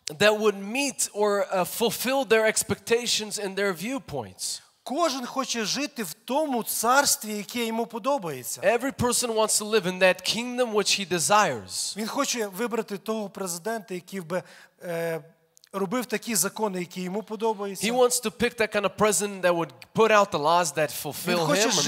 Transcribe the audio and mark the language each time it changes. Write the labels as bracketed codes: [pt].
[en] that would meet or fulfill their expectations and their viewpoints. [uk] Кожен хоче жити в тому царстві, яке йому подобається. [en] Every person wants to live in that kingdom which he desires. [uk] Він хоче вибрати того президента, який би робив такі закони, які йому подобаються. [en] He wants to pick that kind of president that would put out the laws that fulfill him or meet his standards.